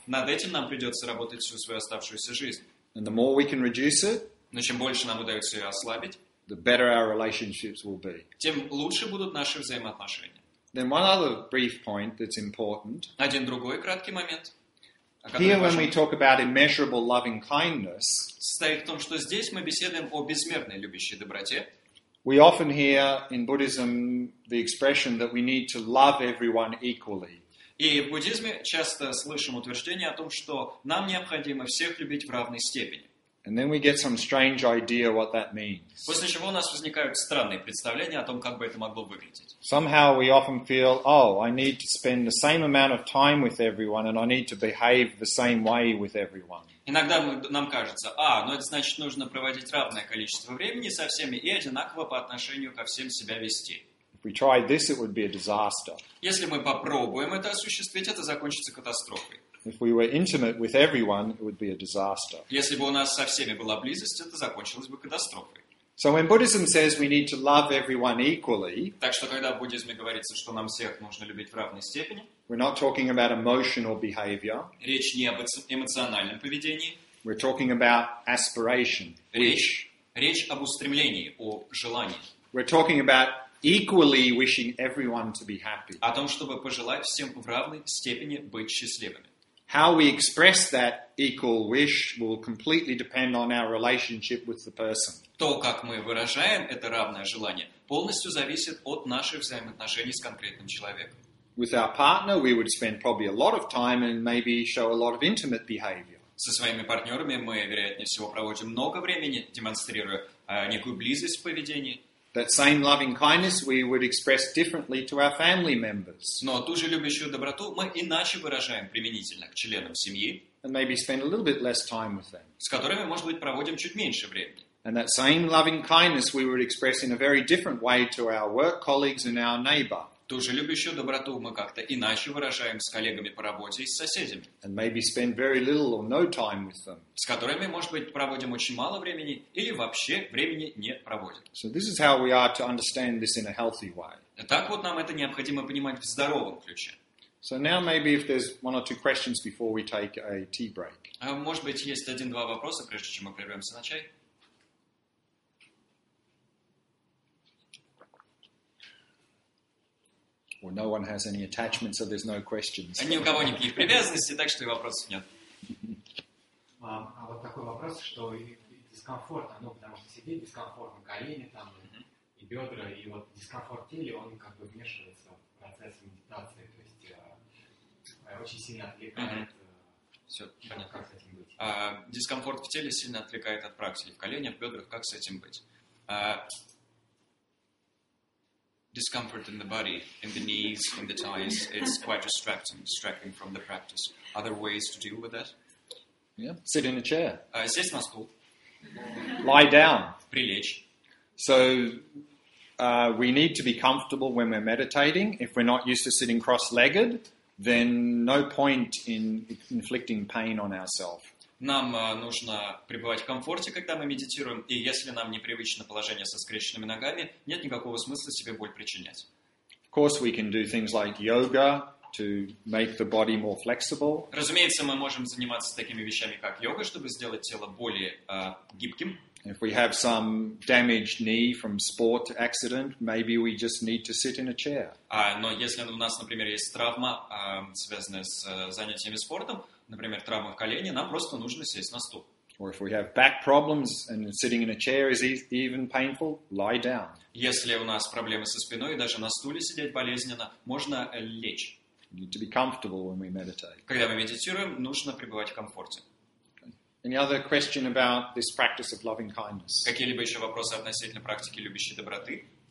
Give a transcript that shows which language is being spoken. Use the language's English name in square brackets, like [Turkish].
[Russian] Над этим нам придется работать всю свою оставшуюся жизнь. [English] And the more we can reduce it, [Russian] но чем больше нам удается ее ослабить, [English] the better our relationships will be. [Russian] Тем лучше будут наши взаимоотношения. [English] Then one other brief point that's important. [Russian] Один другой краткий момент. [English] Here, when we talk about immeasurable loving kindness, [Russian] состоит в том, что здесь мы беседуем о безмерной любящей доброте. [English] We often hear in Buddhism the expression that we need to love everyone equally. [Russian] И в буддизме часто слышим утверждение о том, что нам необходимо всех любить в равной степени. [English] And then we get some strange idea what that means. [Russian] После чего у нас возникают странные представления о том, как бы это могло выглядеть. [English] Somehow we often feel, oh, I need to spend the same amount of time with everyone and I need to behave the same way with everyone. [Russian] Иногда нам кажется, ну это значит, нужно проводить равное количество времени со всеми и одинаково по отношению ко всем себя вести. [English] If we try this, it would be a disaster. [Russian] Если мы попробуем это осуществить, это закончится катастрофой. [English] If we were intimate with everyone, it would be a disaster. [Russian] Если бы у нас со всеми была близость, это закончилось бы катастрофой. [English] So when Buddhism says we need to love everyone equally, [Russian] так что когда в буддизме говорится, что нам всех нужно любить в равной степени, [English] we're not talking about emotional behavior. [Russian] Речь не об эмоциональном поведении. [English] We're talking about aspiration. [Russian] Речь об устремлении, о желании. [English] We're talking about equally wishing everyone to be happy. [Russian] О том, чтобы пожелать всем в равной степени быть счастливыми. [English] How we express that equal wish will completely depend on our relationship with the person. [Russian] То, как мы выражаем это равное желание, полностью зависит от наших взаимоотношений с конкретным человеком. [English] With our partner, we would spend probably a lot of time and maybe show a lot of intimate behavior. [Russian] Со своими партнерами мы, вероятнее всего, проводим много времени, демонстрируя некую близость в поведении. [English] That same loving kindness we would express differently to our family members. [Russian] Но ту же любящую доброту мы иначе выражаем применительно к членам семьи. [English] And maybe spend a little bit less time with them. [Russian] С которыми, может быть, проводим чуть меньше времени. [English] And that same loving kindness we would express in a very different way to our work colleagues and our neighbor. [Russian] Ту же любящую доброту мы как-то иначе выражаем с коллегами по работе и с соседями. [English] And maybe spend very little or no time with them. [Russian] С которыми, может быть, проводим очень мало времени или вообще времени не проводим. [English] So this is how we are to understand this in a healthy way. [Russian] Так вот нам это необходимо понимать в здоровом ключе. [English] So now maybe if there's one or two questions before we take a tea break. [Russian] Может быть, есть 1-2 вопроса, прежде чем мы прервемся на чай? [English] Well, no one has any attachments, so there's no questions. [Russian] Ни у кого никаких привязанностей, так что и вопросов нет. А вот такой вопрос, что дискомфорт, потому что сидеть дискомфортно, колени там, и бедра, и вот дискомфорт тела, он как бы вмешивается в процесс медитации, то есть очень сильно отвлекает. Все, понятно. Как с этим быть? Дискомфорт в теле сильно отвлекает от практики, в коленях, в бедрах, как с этим быть? [English] Discomfort in the body, in the knees, in the thighs, it's quite distracting from the practice. Are there ways to deal with that? Yeah, sit in a chair. [Russian] Сесть на стул. [English] Lie down. [Russian] Прилечь. [English] So, we need to be comfortable when we're meditating. If we're not used to sitting cross-legged, then no point in inflicting pain on ourselves. [Russian] Нам нужно пребывать в комфорте, когда мы медитируем, и если нам непривычно положение со скрещенными ногами, нет никакого смысла себе боль причинять. [English] Of course, we can do things like yoga to make the body more flexible. [Russian] Разумеется, мы можем заниматься такими вещами, как йога, чтобы сделать тело более гибким. [English] If we have some damaged knee from sport accident, maybe we just need to sit in a chair. [Russian] Но если у нас, например, есть травма, связанная с занятиями спортом, например, травма в колене, нам просто нужно сесть на стул. [English] Or if we have back problems and sitting in a chair is even painful, lie down. [Russian] Если у нас проблемы со спиной, и даже на стуле сидеть болезненно, можно лечь. [English] We need to be comfortable when we meditate. [Russian] Когда мы медитируем, нужно пребывать в комфорте. [English] Any other question about this practice of loving kindness? [Russian] Какие-либо еще вопросы относительно практики любящей доброты?